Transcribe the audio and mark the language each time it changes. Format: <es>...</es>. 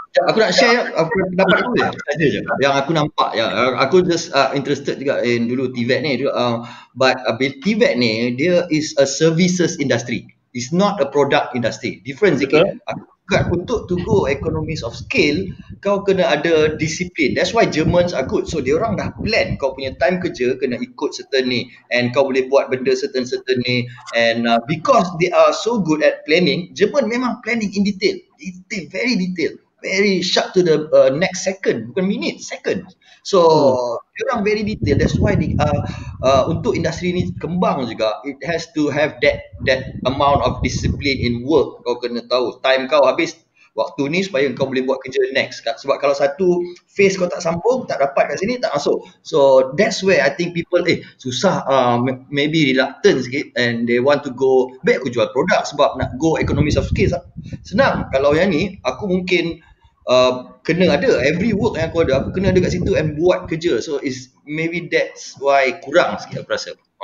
<ms>Aku nak share aku pendapat aku ya. Yang aku nampak ya. Aku</ms> <en>just interested</en> <ms>juga in dulu TVET ni juga.</ms> <en>But TVET</en> <ms>ni dia</ms> <en>is a services industry. It's not a product industry. Difference again. Okay. Untuk to go economies of scale,</en> <ms>kau kena ada</ms> <en>discipline. That's why Germans are good.</en> <ms>So dia orang dah plan kau punya time kerja kena ikut certain ni, and kau boleh buat benda certain ni.</ms> <en>And because they are so good at planning, German memang planning in detail, very detail, very sharp to the next second,</en> <ms>bukan minute, second.</ms> <en>So Dia very detail. That's why the,</en> <ms>untuk industri ni kembang juga,</ms> <en>it has to have that amount of discipline in work.</en> <ms>Kau kena tahu time kau habis waktu ni supaya kau boleh buat kerja next. Sebab kalau satu phase kau tak sambung, tak dapat kat sini, tak masuk.</ms> <en>So that's where I think people susah, maybe reluctant sikit, and they want to go back,</en> <ms>aku jual produk sebab nak</ms> <en>go economies of scale.</en> <ms>Senang kalau yang ni aku mungkin kena ada</ms> <en>every work</en> <ms>yang aku ada, aku kena ada kat situ and buat kerja.</ms> <en>So is maybe that's why</en> <ms>kurang sikit aku rasa.</ms>